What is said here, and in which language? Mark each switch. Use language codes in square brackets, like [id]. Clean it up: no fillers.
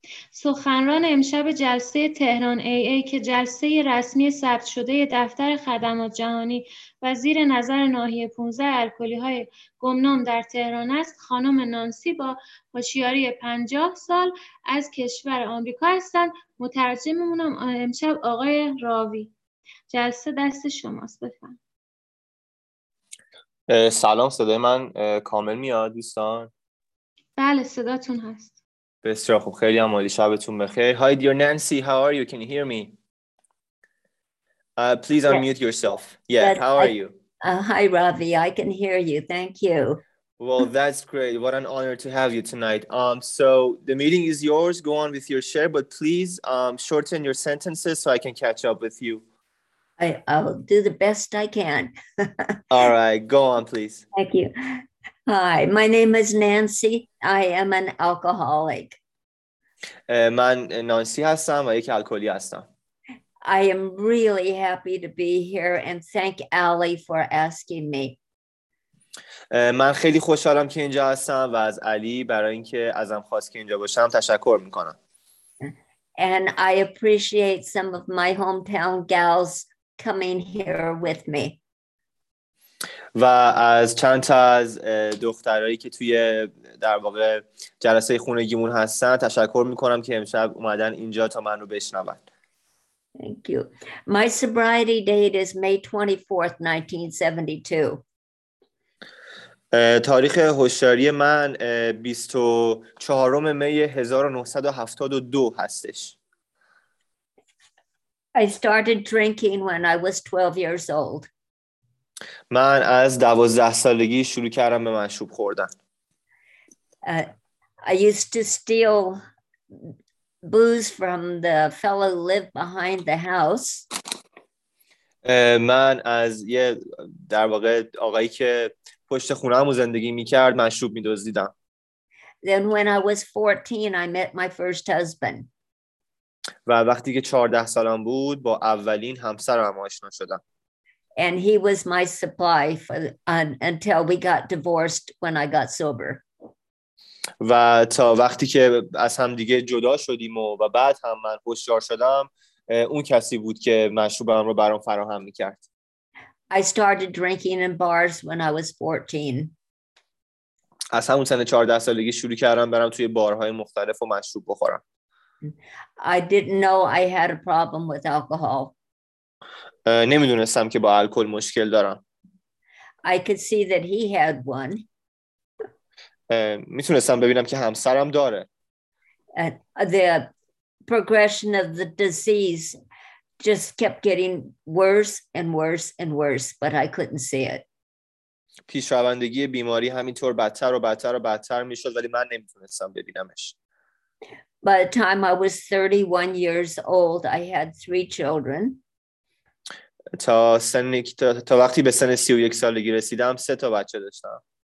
[fa] سخنران امشب جلسه تهران ای ای که جلسه رسمی ثبت شده دفتر خدمات جهانی و زیر نظر ناحیه 15 الکلی های گمنام در تهران است، خانم نانسی با هوشیاری 50 سال از کشور آمریکا هستند. مترجممون امشب آقای راوی. جلسه دست شماست، بفرمایید. سلام، صدای من کامل میاد دوستان؟ بله صداتون هست. بسیار خوب، خیلی عمالی، شبتون بخیر. [en] Hi dear Nancy, how are you? Can you hear me? Please unmute yourself. Yeah, but how are you? Hi Ravi, I can hear you, thank you. Well, that's great. What an honor to have you tonight. So the meeting is yours, go on with your share, but please shorten your sentences so I can catch up with you. I'll do the best I can. All right, go on, please. Thank you. Hi, my name is Nancy. I am an alcoholic. [fa] من نانسی هستم و یک الکلی هستم. [en] I am really happy to be here and thank Ali for asking me. [fa] من خیلی خوشحالم که اینجا هستم و از علی برای اینکه ازم خواست که اینجا باشم تشکر میکنم. [en] And I appreciate some of my hometown gals coming here with me. [fa] و از چند تا از دخترایی که توی در واقع جلسه خونگیمون هستن تشکر میکنم که امشب اومدن اینجا تا من رو بشنون. [en] Thank you. My sobriety date is May 24th, 1972. [fa] تاریخ هوشیاری من 24 می 1972 هستش. [en] I started drinking when I was 12 years old. [fa] من از 12 سالگی شروع کردم به مشروب خوردن. [en] I used to steal booze from the fellow lived behind the house. [fa] من از یه در واقع آقایی که پشت خونه‌مو زندگی می‌کرد مشروب می‌دزدیدم. [en] Then when I was 14 I met my first husband. [fa] و وقتی که 14 سالم بود با اولین همسرم آشنا شدم. [en] And he was my supply until we got divorced when I got sober. [fa] و تا وقتی که از هم دیگه جدا شدیم و بعد هم من هوشیار شدم اون کسی بود که مشروبم رو برام فراهم می‌کرد. [en] I started drinking in bars when I was 14. [fa] از همون سن 14 سالگی شروع کردم برم توی بارهای مختلف و مشروب بخورم. [en] I didn't know I had a problem with alcohol. [fa] نمیدونستم که با الکل مشکل دارم. [en] I could see that he had one. [fa] میتونستم ببینم که همسرم داره. [en] The progression of the disease just kept getting worse and worse and worse, but I couldn't see it. [fa] پیشروندگی بیماری همینطور بدتر و بدتر و بدتر میشد ولی من نمیتونستم ببینمش. [en] By the time I was 31 years old, I had 3 children. [fa] تا وقتی به سن 31 سالگی رسیدم 3 تا بچه داشتم.